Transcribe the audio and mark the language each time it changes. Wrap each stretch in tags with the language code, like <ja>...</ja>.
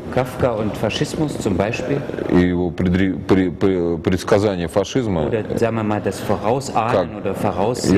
<de>Кафка und Faschismus zum Beispiel.</de> <ru>И его предсказание фашизма.</ru> <de>Oder sagen wir mal das Vorausahnen</de> <ru>как,</ru> <de>oder Voraussehen</de>